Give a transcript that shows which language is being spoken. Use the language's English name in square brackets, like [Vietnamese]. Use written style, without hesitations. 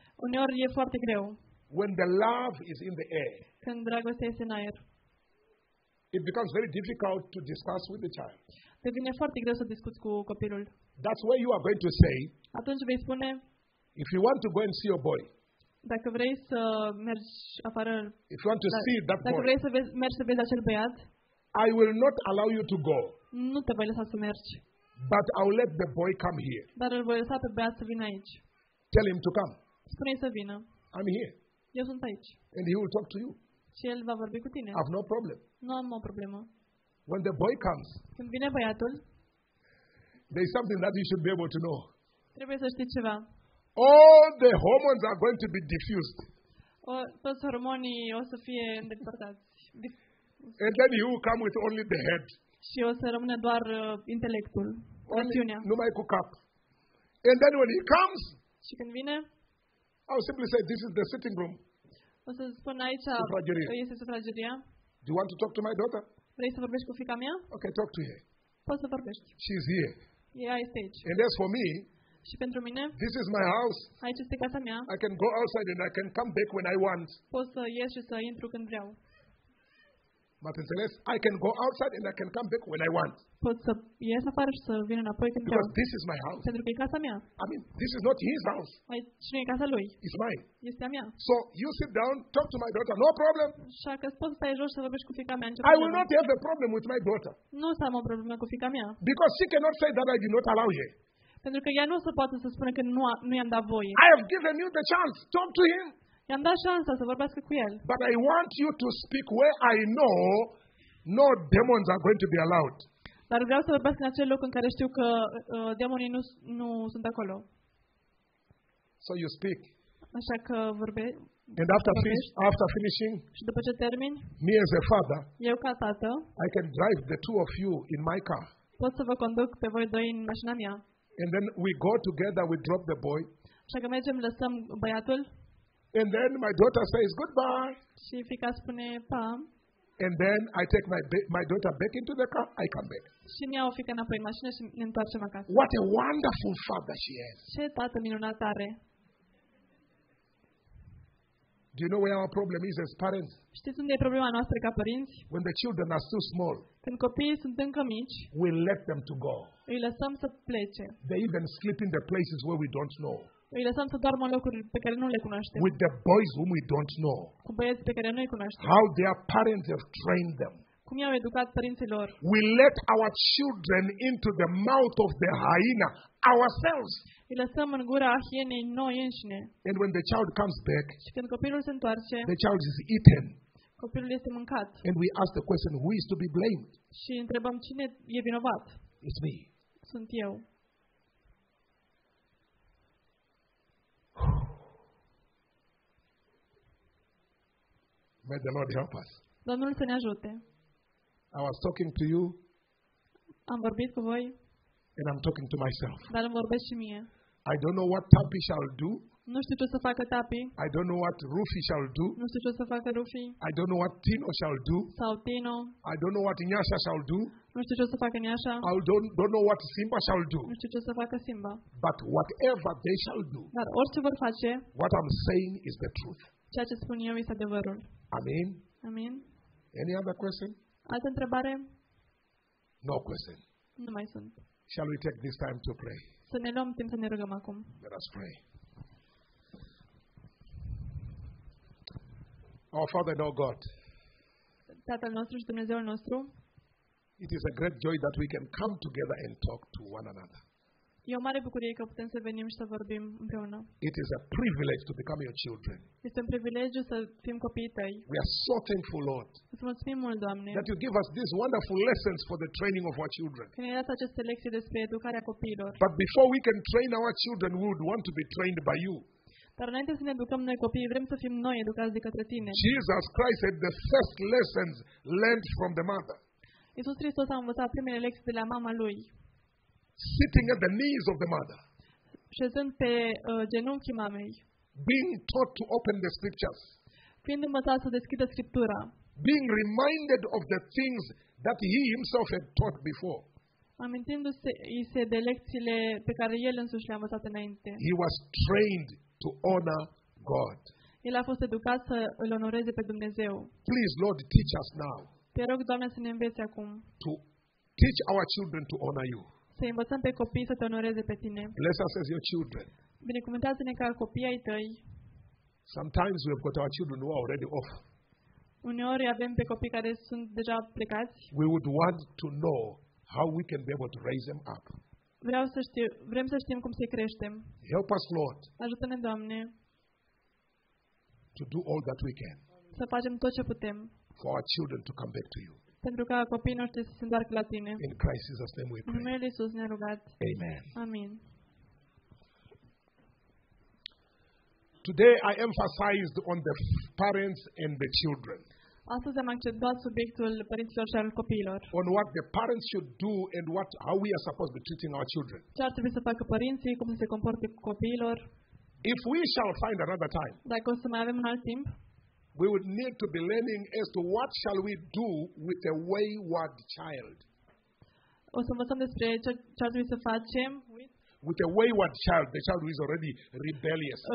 [Romanian] Uneori e foarte greu. [English] When the love is in the air. [Romanian] Când dragostea este în aer. [English] It becomes very difficult to discuss with the child. [Romanian] Devine foarte greu să discuți cu copilul. [English] That's where you are going to say. [Romanian] Atunci vei spune. [English] If you want to go and see your boy. [Romanian] Dacă vrei să mergi afară, [English] if you want to see that [Romanian] dacă [English] boy, [Romanian] vrei să vezi, mergi să vezi acel băiat, [English] I will not allow you to go. [Romanian] Nu te voi lăsa să mergi. [English] But I'll let the boy come here. [Romanian] Dar îl voi lăsa pe băiat să vină aici. [English] Tell him to come. [Romanian] Spune-i să vină. [English] I'm here. [Romanian] Eu sunt aici. [English] And he will talk to you. [Romanian] Și el va vorbi cu tine. [English] I have no problem. [Romanian] Nu am o problemă. [English] When the boy comes, [Romanian] când vine băiatul, [English] there is something that you should be able to know. [Romanian] Trebuie să știi ceva. [English] All the hormones are going to be diffused. [Romanian] Toți hormonii o să fie îndepărtați. [English] And then you will come with only the head. [Romanian] Și o să rămână doar intelectul, rațiunea. Numai cu cap. [English] And then when he comes, [Romanian] și când vine, [English] I will simply say, this is the sitting room. [Romanian] O să spun aici, sufrageria. Este sufrageria. [English] Do you want to talk to my daughter? [Romanian] Vrei să vorbești cu fiica mea? [English] Okay, talk to her. [Romanian] Poți să vorbești. [English] She's here. [Romanian] Ea este aici. [English] And as for me, [Romanian] și pentru mine, [English] this is my house. [Romanian] Aici este casa mea. [English] I can go outside and I can come back when I want. [Romanian] Pot să ies și să intru când vreau. M-ați înțeles? [English] I can go outside and I can come back when I want. [Romanian] Pot să ies afară și să vin înapoi când [English] because [Romanian] vreau. [English] This is my house. [Romanian] Pentru că e casa mea. [English] I mean, this is not his house. [Romanian] Aici nu e casa lui. [English] It's mine. [Romanian] Este a mea. [English] So you sit down, talk to my daughter, no problem. [Romanian] Așa că pot să stai jos să vorbești cu fiica mea. [English] I will not have a problem with my daughter. [Romanian] Nu o să am o problemă cu fiica mea. [English] Because she cannot say that I did not allow her. [Romanian] Pentru că ea nu se poate să spună că nu i-am dat voie. [English] I have given you the chance. Talk to him. [Romanian] I-am dat șansa să vorbească cu el. [English] But I want you to speak where I know no demons are going to be allowed. [Romanian] Dar vreau să vorbesc în acel loc în care știu că demonii nu sunt acolo. [English] So you speak. [Romanian] Așa că vorbești. [English] And after finishing, [Romanian] și după ce termin, [English] me as a father, [Romanian] eu ca tată, [English] I can drive the two of you in my car. [Romanian] Pot să vă conduc pe voi doi în mașina mea. [English] And then we go together, we drop the boy. [Romanian] Așa că mergem, lăsăm băiatul. [English] And then my daughter says goodbye. [Romanian] Și fiica spune pa. [English] And then I take my daughter back into the car, I come back. [Romanian] Și ne iau fiica înapoi în mașină și ne întoarcem acasă. [English] What a wonderful father she has. [Romanian] Ce tată minunat are. [English] Do you know where our problem is as parents? [Romanian] Știți unde e problema noastră ca părinți? [English] When the children are too small. [Romanian] Când copiii sunt încă mici. [English] We let them to go. [Romanian] Îi lăsăm să plece. [English] They even sleep in the places where we don't know. [Romanian] Îi lăsăm să doarmă în locuri pe care nu le cunoaștem. [English] With the boys whom we don't know. [Romanian] Cu băieți pe care nu îi cunoaștem. [English] How their parents have trained them. [Romanian] cum i-au educat părinții lor. [English] We let our children into the mouth of the hyena ourselves. [Romanian] Îi lăsăm în gura hienei noi înșine. [English] And when the child comes back, [Romanian] și când copilul se întoarce, [English] the child is eaten. [Romanian] Copilul este mâncat. [English] And we ask the question, who is to be blamed? [Romanian] Și întrebăm cine e vinovat? [English] It's me. [Romanian] Sunt eu. [English] May the Lord help us. [Romanian] Domnul să ne ajute. [English] I was talking to you. [Romanian] Am vorbit cu voi. [English] And I'm talking to myself. [Romanian] Dar îmi vorbesc și mie. [English] I don't know what Tapi shall do. [Romanian] Nu știu ce o să facă Tapi. [English] I don't know what Rufi shall do. [Romanian] Nu știu ce o să facă Rufi. [English] I don't know what Tino shall do. [Romanian] Sau Tino. [English] I don't know what Nyasha shall do. [Romanian] Nu știu ce o să facă Nyasha. [English] I don't know what Simba shall do. [Romanian] Nu știu ce o să facă Simba. [English] But whatever they shall do. [Romanian] Dar orice vor face. [English] What I'm saying is the truth. [Romanian] Ceea ce spun eu este adevărul. [English] Amen. [Romanian] Amen. [English] Any other question? [Romanian] Altă întrebare? [English] No question. [Romanian] Nu mai sunt. [English] Shall we take this time to pray? [Romanian] Să ne luăm timp să ne rugăm acum. [English] Let us pray. Our Father and our God. [Romanian] Tatăl nostru și Dumnezeul nostru. [English] It is a great joy that we can come together and talk to one another. [Romanian] E o mare bucurie că putem să venim și să vorbim împreună. [English] It is a privilege to become your children. [Romanian] Este un privilegiu să fim copiii tăi. [English] We are so thankful, Lord. [Romanian] Îți mulțumim mult, Doamne. [English] That you give us these wonderful lessons for the training of our children. [Romanian] Că ne-ai dat aceste lecții despre educarea copiilor. [English] But before we can train our children, we would want to be trained by you. [Romanian] Dar înainte să ne educăm noi copiii, vrem să fim noi educați de către tine. [English] Jesus Christ had the first lessons learned from the mother. [Romanian] Iisus Hristos a învățat primele lecții de la mama lui. [English] Sitting at the knees of the mother. [Romanian] Șezând pe genunchii mamei. [English] Being taught to open the scriptures. [Romanian] Fiind învățat să deschidă scriptura. [English] Being reminded of the things that he himself had taught before. [Romanian] Amintindu-se de lecțiile pe care el însuși le-a învățat înainte. [English] He was trained to honor God. [Romanian] El a fost educat să îl onoreze pe Dumnezeu. [English] Please, Lord, teach us now. [Romanian] Te rog, Doamne, să ne înveți acum. [English] To teach our children to honor you. [Romanian] Să învățăm pe copii să te onoreze pe tine. [English] Bless us as your children. [Romanian] Binecuvântați-ne ca copii ai tăi. [English] Sometimes we have got our children who are already off. [Romanian] Uneori avem pe copii care sunt deja plecați. [English] We would want to know how we can be able to raise them up. [Romanian] Vreau să știu, vrem să știm cum să-i creștem. [English] Help us, Lord. [Romanian] Ajută-ne, Doamne. [English] To do all that we can. [Romanian] Să facem tot ce putem. [English] For our children to come back to you. [Romanian] Pentru ca copiii noștri să se întoarcă la tine. [English] In Christ Jesus' name we pray. [Romanian] În numele Iisus ne-a rugat. [English] Amen. [Romanian] Amin. [English] Today I emphasized on the parents and the children. [Romanian] Astăzi am accentuat subiectul părinților și al copiilor. [English] On what the parents should do and what how we are supposed to be treating our children. [Romanian] Ce ar trebui să facă părinții, cum să se comporte cu copiilor. [English] If we shall find another time. [Romanian] Dacă o să mai avem un alt timp. [English] We would need to be learning as to what shall we do with a wayward child. [Romanian] O să învățăm despre ce ar trebui să facem [English] with a wayward child, the child who is already rebellious.